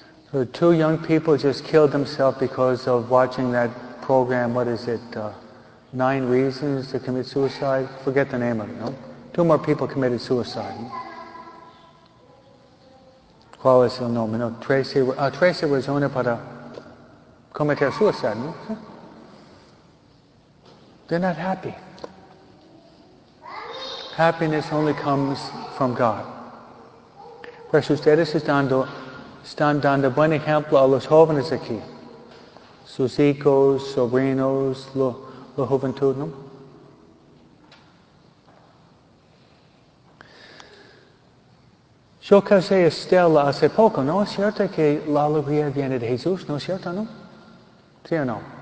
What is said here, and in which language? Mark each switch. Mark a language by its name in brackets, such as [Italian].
[English] So two young people just killed themselves because of watching that program. What is it? 9 Reasons to Commit Suicide. Forget the name of it. No? 2 more people committed suicide. [Spanish] ¿Cuál es el nombre? No, [English] Tracy was only [Spanish] para cometer suicide, ¿no? [English] They're not happy. Happiness only comes from God. [Spanish] Pues ustedes están dando buen ejemplo a los jóvenes aquí. Sus hijos, sobrinos, la juventud, ¿no? Yo casé a Estela hace poco, ¿no es cierto que la alegría viene de Jesús? ¿No es cierto, no? ¿Sí o no?